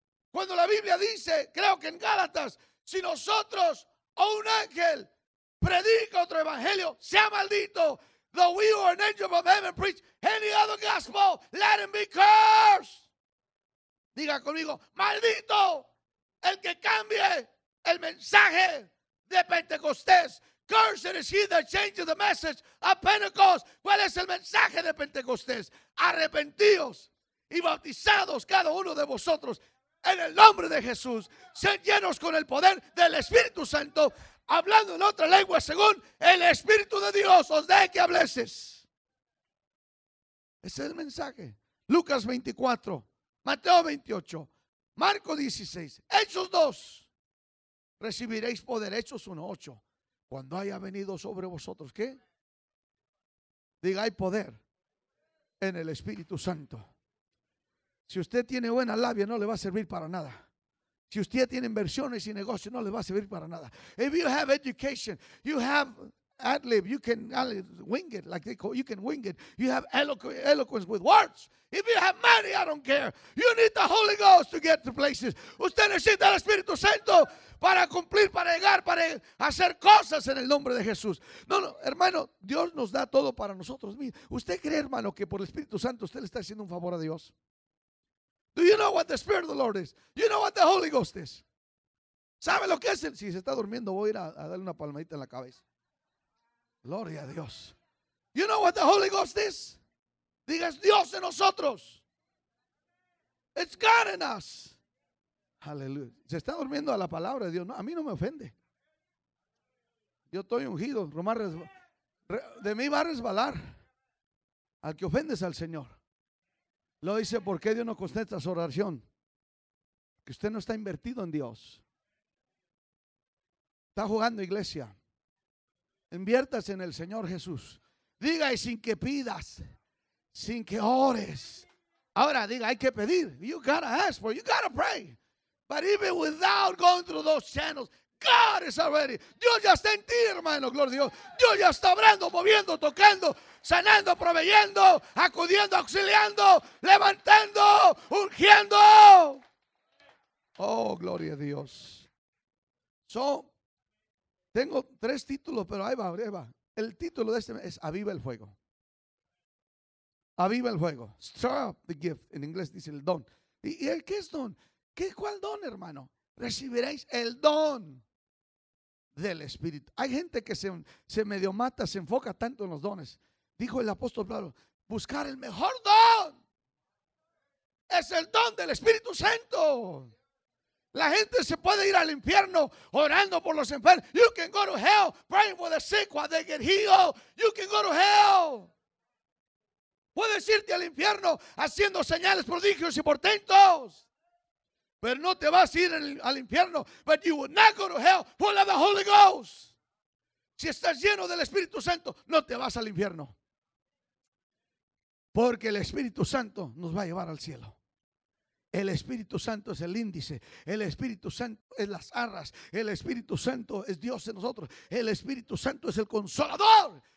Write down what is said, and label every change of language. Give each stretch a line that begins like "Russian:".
Spanish: Cuando la Biblia dice, creo que en Gálatas, si nosotros o un ángel predica otro evangelio, sea maldito.
English: Though we or an angel from heaven preach any other gospel, let him be cursed.
Spanish: Diga conmigo, maldito el que cambie el mensaje de Pentecostés.
English: Cursed is he that changes the message of Pentecost.
Spanish: ¿Cuál es el mensaje de Pentecostés? Arrepentíos y bautizados cada uno de vosotros en el nombre de Jesús. Sean llenos con el poder del Espíritu Santo, hablando en otra lengua según el Espíritu de Dios os dé que hableses. Ese es el mensaje. Lucas 24, Mateo 28, Marco 16, Hechos 2. Recibiréis poder. Hechos 1:8. Cuando haya venido sobre vosotros, ¿qué? Diga, hay poder en el Espíritu Santo. Si usted tiene buena labia, no le va a servir para nada. Si usted tiene inversiones y negocios, no le va a servir para nada.
English: If you have education, you have ad lib, you can wing it, like they call, you can wing it. You have eloquence with words. If you have money, I don't care. You need the Holy Ghost to get to places.
Spanish: Usted necesita el Espíritu Santo para cumplir, para llegar, para hacer cosas en el nombre de Jesús. No, hermano, Dios nos da todo para nosotros mismos. ¿Usted cree, hermano, que por el Espíritu Santo usted le está haciendo un favor a Dios?
English: Do you know what the Spirit of the Lord is? You know what the Holy Ghost is?
Spanish: ¿Sabe lo que es? Si se está durmiendo, voy a ir a darle una palmadita en la cabeza. Gloria a Dios.
English: You know what the Holy Ghost is?
Spanish: Diga, es Dios en nosotros.
English: It's God in us.
Spanish: Aleluya. Se está durmiendo a la palabra de Dios. No, a mí no me ofende. Yo estoy ungido. De mí va a resbalar. Al que ofendes al Señor. Lo dice, ¿por qué Dios no contesta su oración? Que usted no está invertido en Dios. Está jugando, iglesia. Inviértase en el Señor Jesús. Diga, y sin que pidas, sin que ores. Ahora diga, hay que pedir.
English: You gotta ask for, you gotta pray. But even without going through those channels, God is already.
Spanish: Dios ya está en ti, hermano. Gloria a Dios. Dios ya está abriendo, moviendo, tocando, sanando, proveyendo, acudiendo, auxiliando, levantando, ungiendo. Oh, gloria a Dios. So, tengo tres títulos, pero ahí va. El título de este es Aviva el fuego. Aviva el fuego.
English: Stir up the gift.
Spanish: En inglés dice el don. ¿Y el qué es don? ¿Cuál don, hermano? Recibiréis el don del Espíritu. Hay gente que se medio mata, se enfoca tanto en los dones. Dijo el apóstol Pablo, buscar el mejor don. Es el don del Espíritu Santo. La gente se puede ir al infierno orando por los enfermos.
English: You can go to hell praying for the sick while they get healed. You can go to hell.
Spanish: Puedes irte al infierno haciendo señales, prodigios y portentos. Pero no te vas a ir al infierno.
English: But you will not go to hell full of the Holy Ghost.
Spanish: Si estás lleno del Espíritu Santo, no te vas al infierno. Porque el Espíritu Santo nos va a llevar al cielo. El Espíritu Santo es el índice. El Espíritu Santo es las arras. El Espíritu Santo es Dios en nosotros. El Espíritu Santo es el consolador.